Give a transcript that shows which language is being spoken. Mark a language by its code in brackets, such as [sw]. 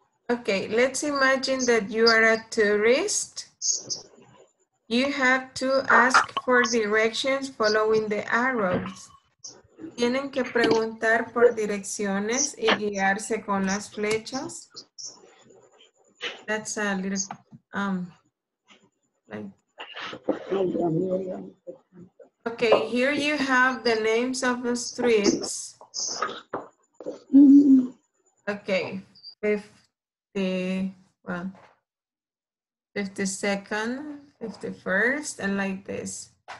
[en] Okay, let's imagine that you are a tourist. You have to ask for directions following the arrows. [es] Tienen que preguntar por direcciones y guiarse con las flechas. [en] That's a little, okay, here you have the names of the streets. Okay, 52nd, 51st, and like this.